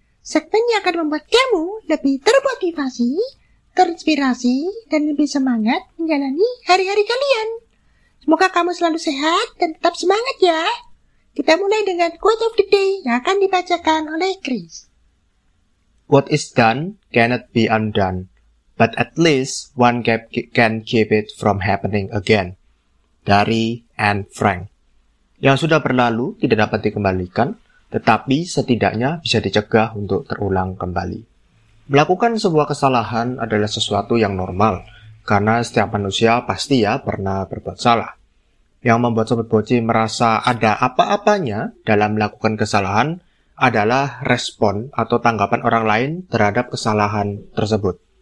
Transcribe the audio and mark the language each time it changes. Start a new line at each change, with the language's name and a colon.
Indonesian: Segmen yang akan membuat kamu lebih termotivasi, terinspirasi, dan lebih semangat menjalani hari-hari kalian. Semoga kamu selalu sehat dan tetap semangat ya. Kita mulai dengan quote of the day yang akan dibacakan oleh Chris.
English: What is done cannot be undone, but at least one gap can keep it from happening again.
Indonesian: Dari Anne Frank. Yang sudah berlalu tidak dapat dikembalikan, tetapi setidaknya bisa dicegah untuk terulang kembali. Melakukan sebuah kesalahan adalah sesuatu yang normal, karena setiap manusia pasti ya pernah berbuat salah. Yang membuat Sobat Boci merasa ada apa-apanya dalam melakukan kesalahan adalah respon atau tanggapan orang lain terhadap kesalahan tersebut.